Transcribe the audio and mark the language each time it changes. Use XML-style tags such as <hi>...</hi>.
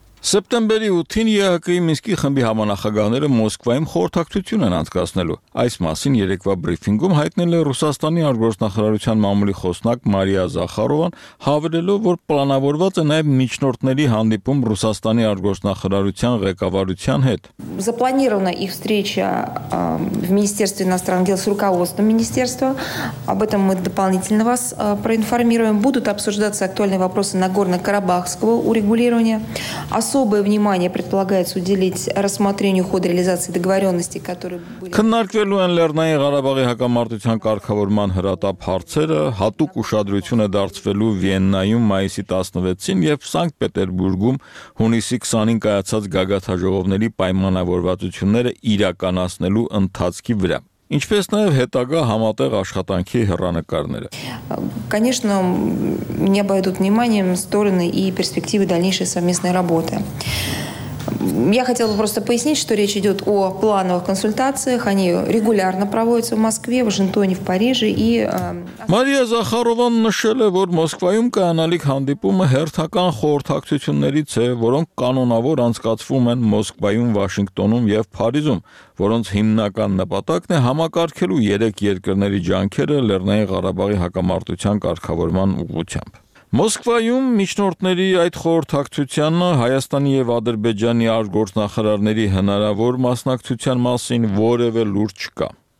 <hy>Սեպտեմբերի 8-ին ԵԱՀԿ-ի Մինսկի խմբի համանախագահները Մոսկվայում խորհրդակցություն են անցկացնելու։ Այս մասին երեկվա բրիֆինգում հայտնել է Ռուսաստանի արտգործնախարարության մամուլի խոսնակ Մարիա Զախարովան, հավելելով, որ պլանավորված է նաև միջնորդների հանդիպում Ռուսաստանի արտգործնախարարության ղեկավարության հետ։</hy> <ru>Запланирована их встреча в Министерстве иностранных дел с руководством министерства. Об этом мы дополнительно вас проинформируем. Будут обсуждаться актуальные вопросы Нагорно-Карабахского урегулирования. Особое внимание предполагается уделить рассмотрению хода реализации договоренности, которые были...</ru> <hy>Քննարկվելու են Լեռնային Ղարաբաղի հակամարտության կարգավորման հրատապ հարցերը, հատուկ ուշադրություն է դարձվելու Վիեննայում մայիսի 16-ին և Սանկտ Պետերբուրգում հունիսի 20-ին կայացած գագաթաժողովների պայմանավորվածությունները իրականացնելու ընթացքի վրա։ Ինչպես նաև հետագա համատեղ աշխատանքի հեռանկարները։</hy> <ru>Конечно, не обойдут вниманием стороны и перспективы дальнейшей совместной работы. Я хотела бы просто пояснить, что речь идет о плановых консультациях. Они регулярно проводятся в Москве, в Вашингтоне, в Париже.</ru> <hy>Мария Захарован նշել է, որ Մոսկվայում կայանալիք հանդիպումը հերթական խորհրդակցություններից է, որոնք կանոնավոր անցկացվում են Մոսկվայում, Վաշինգտոնում և Փարիզում, որոնց հիմնական նպատակն է համակարգելու երեք երկրների ջանքերը Լեռնային Ղարաբաղի հակամարտության կարգավորման ուղղությամբ։ Մոսկվայում միջնորդների այդ խորհրդակցությանը Հայաստանի և Ադրբեջանի արտգործնախարարների հնարավոր մասնակցության մասին որևէ լուր չկա։</hy>